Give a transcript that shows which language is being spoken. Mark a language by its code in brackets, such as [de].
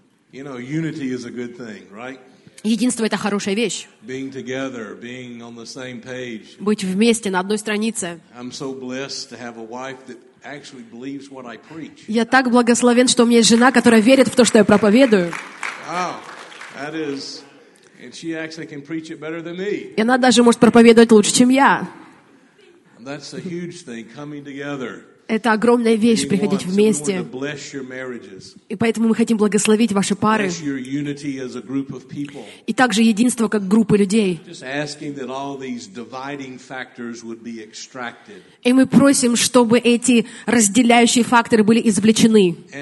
[en] You know, unity is a good thing, right? [ru] Единство — это хорошая вещь. [en] Being together, being on the same page. [ru] Быть вместе, на одной странице. [en] I'm so blessed to have a wife that actually believes what I preach. [ru] Я так благословен, что у меня есть жена, которая верит в то, что я проповедую. [en] Wow, that is, and she actually can preach it better than me. [ru] И она даже может проповедовать лучше, чем я. [en] That's a huge thing, coming together. [ru] Это огромная вещь, приходить вместе. И поэтому мы хотим благословить ваши пары. И также единство как группы людей. И мы просим, чтобы эти разделяющие факторы были извлечены.